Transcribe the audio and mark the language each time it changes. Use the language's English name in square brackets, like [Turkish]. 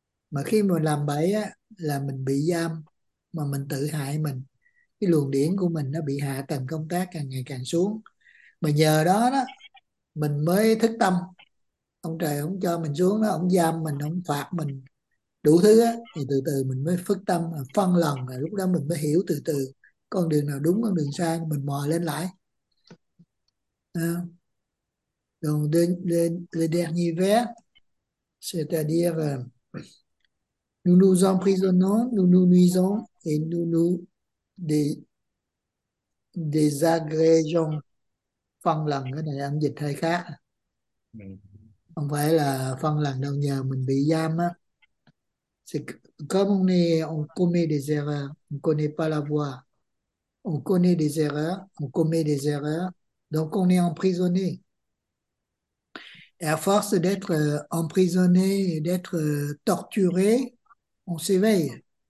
[Vietnamese] Mà khi mà làm bậy á là mình bị giam, mà mình tự hại mình, cái luồng điển của mình nó bị hạ tầng công tác càng ngày càng xuống. Mà nhờ đó đó mình mới thức tâm. Ông trời không cho mình xuống đó, ông giam mình, ông phạt mình đủ thứ á, thì từ từ mình mới phức tâm phân lần, rồi lúc đó mình mới hiểu từ từ con đường nào đúng con đường sai, mình mò lên lại. [French] Donc, le dernier vers, c'est-à-dire, nous nous emprisonnons, nous nous nuisons et nous nous désagrégeons. [Vietnamese] Phân lần, cái này âm dịch hơi khác. Không phải là phân lần đâu, nhờ mình bị giam á. [French] C'est comme on commet des erreurs, on ne connaît pas la voie. On connaît des erreurs, on commet des erreurs. Donc on est emprisonné. Et à force d'être emprisonné et d'être torturé, on s'éveille.